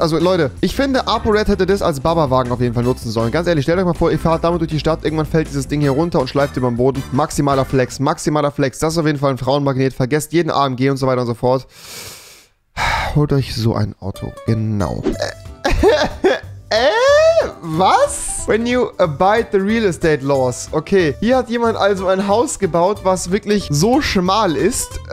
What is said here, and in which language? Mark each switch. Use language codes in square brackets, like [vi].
[de] Also Leute, ich finde, ApoRed hätte das als Baba-Wagen auf jeden Fall nutzen sollen. Ganz ehrlich, stellt euch mal vor, ihr fahrt damit durch die Stadt, irgendwann fällt dieses Ding hier runter und schleift über den Boden. Maximaler Flex. Das ist auf jeden Fall ein Frauenmagnet. Vergesst jeden AMG und so weiter und so fort. Holt euch so ein Auto. Genau. Was? [en] When you abide the real estate laws. [de] Okay, hier hat jemand also ein Haus gebaut, was wirklich so schmal ist.